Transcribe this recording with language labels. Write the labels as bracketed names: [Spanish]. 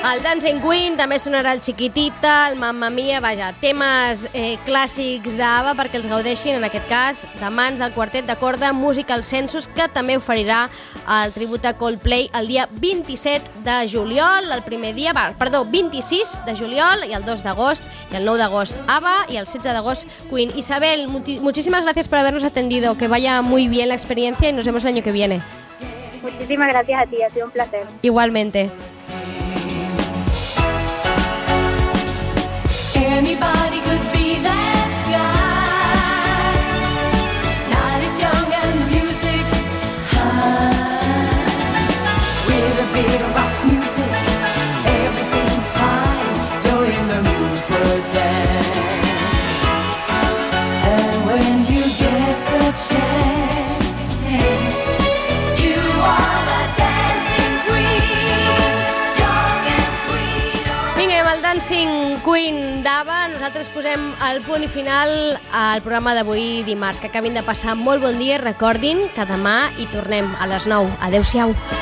[Catalan] Dancing Queen, també sonarà el Chiquitita, el Mamma Mia, vaja, temes clàssics d'Ava perquè els gaudeixin, en aquest cas, de mans del quartet de corda Musical Census, que també oferirà el tribut a Coldplay el dia 27 de juliol, el primer dia, 26 de juliol, i el 2 d'agost, i el 9 d'agost Ava, i el 16 d'agost Queen. [Spanish] Isabel, muchísimas gracias por habernos atendido, que vaya muy bien la experiencia y nos vemos el año que viene. Muchísimas gracias a ti, ha sido un placer. Igualmente. [English] Anybody could be that guy. Night is young and the music's high. With a bit of rock music, everything's fine. You're in the mood for a dance. And when you get the chance, you are the dancing queen. Young and sweet. [Catalan] Vinga, amb el Dancing Queen d'Ava, nosaltres posem el punt i final al programa d'avui dimarts. Que acabin de passar molt bon dia, recordin que demà hi tornem a les 9. Adéu-siau.